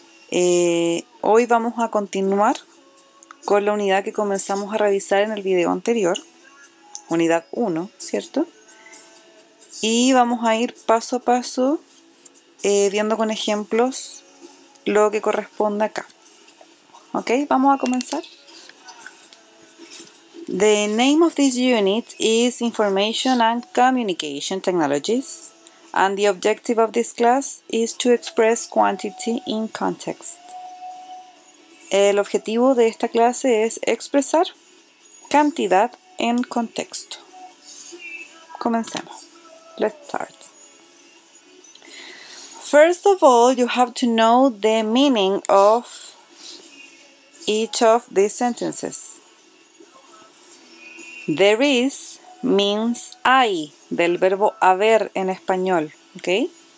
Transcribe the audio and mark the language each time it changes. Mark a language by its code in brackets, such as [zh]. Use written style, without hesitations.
[es] Hoy vamos a continuar con la unidad que comenzamos a revisar en el video anterior, unidad 1, ¿cierto? Y vamos a ir paso a paso viendo con ejemplos lo que corresponde acá. Ok, vamos a comenzar. [en] The name of this unit is Information and Communication Technologies, and the objective of this class is to express quantity in context. [es] El objetivo de esta clase es expresar cantidad en contexto. Comencemos. [en] Let's start. First of all, you have to know the meaning of each of these sentences. There is means [es] hay, del verbo haber en español, ¿ok?